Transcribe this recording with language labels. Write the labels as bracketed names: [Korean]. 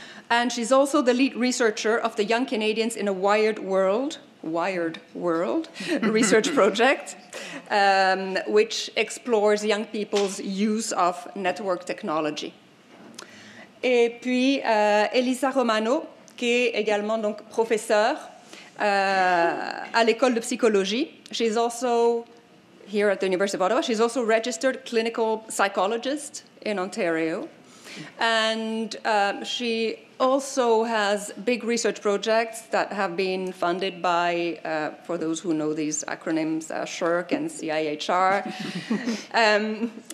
[English] And she's also the lead researcher of the Young Canadians in a Wired World research project, which explores young people's use of network technology. [French] Et puis, Elisa Romano, qui est également donc professeure à l'école de psychologie. [English] She's also here at the University of Ottawa. She's also a registered clinical psychologist in Ontario. And she also has big research projects that have been funded by, for those who know these acronyms, SHRC and CIHR.